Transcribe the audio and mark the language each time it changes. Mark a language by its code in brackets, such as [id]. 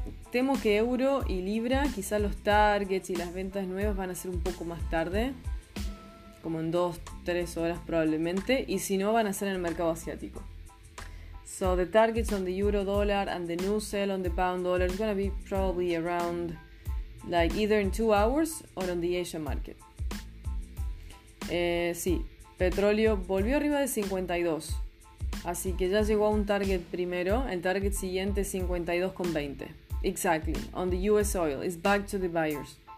[es] Temo que euro y libra, quizás los targets y las ventas nuevas van a ser un poco más tarde, como en 2-3 horas probablemente, y si no, van a ser en el mercado asiático. [en] So the targets on the euro dollar and the new sell on the pound dollar is going to be probably around, like, either in 2 hours or on the Asian market. [es] Sí, petróleo volvió arriba de 52, así que ya llegó a un target primero, el target siguiente 52.20. [en] Exactly, on the US oil, it's back to the buyers.